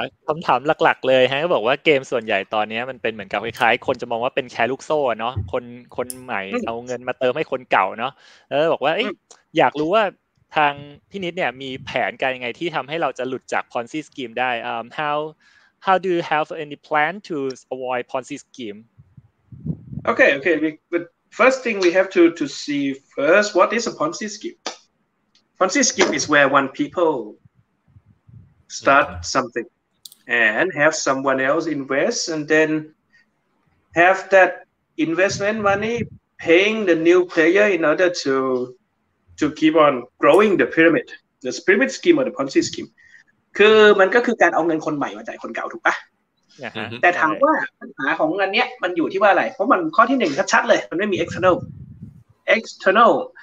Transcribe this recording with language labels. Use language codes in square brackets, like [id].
[th] คำถามหลักๆเลยฮะก็บอกว่าเกมส่วนใหญ่ตอนนี้มันเป็นเหมือนกับคล้ายๆคนจะมองว่าเป็นแชร์ลูกโซ่เนาะคนใหม่เอาเงินมาเติมให้คนเก่าเนาะแล้วบอกว่าอยากรู้ว่าทางพี่นิดเนี่ยมีแผนการยังไงที่ทำให้เราจะหลุดจากพอนซี่สกีมได้ [en] How do you have any plan to avoid Ponzi scheme? Okay. But first thing we have to see first, what is a Ponzi scheme? Ponzi scheme is where one people start something and have someone else invest and then have that investment money paying the new player in order to keep on growing the pyramid, the pyramid scheme or the Ponzi scheme. [th] คือมันก็คือการเอาเงินคนใหม่มาจ่ายคนเก่าถูกป่ะแต่ถามว่าปัญหาของอันเนี้ยมันอยู่ที่ว่าอะไรเพราะมันข้อที่หนึ่งชัดๆเลยมันไม่มี external